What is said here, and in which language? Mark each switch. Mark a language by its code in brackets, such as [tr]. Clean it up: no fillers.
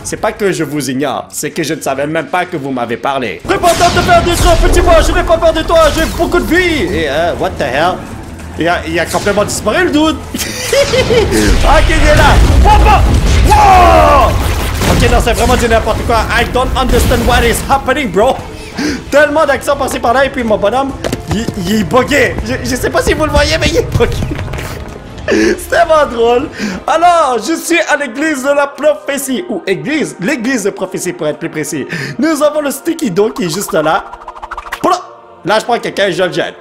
[fr] C'est pas que je vous ignore, c'est que je ne savais même pas que vous m'avez parlé. Prépare-toi à te faire détruire, petit moi, je vais pas peur de toi, j'ai beaucoup de vie. Et [en] what the hell? [fr] Il a complètement disparu le dude. Ok, il est là. Wow! Ok, non, c'est vraiment du n'importe quoi. [en] I don't understand what is happening, bro. [fr] Tellement d'accent passé par là et puis mon bonhomme, il est bugué. Je sais pas si vous le voyez, mais il est bugué. C'est vraiment drôle. Alors, je suis à l'église de la prophétie. Ou église, l'église de prophétie pour être plus précis. Nous avons le sticky dog qui est juste là. Là, je prends quelqu'un et je le jette.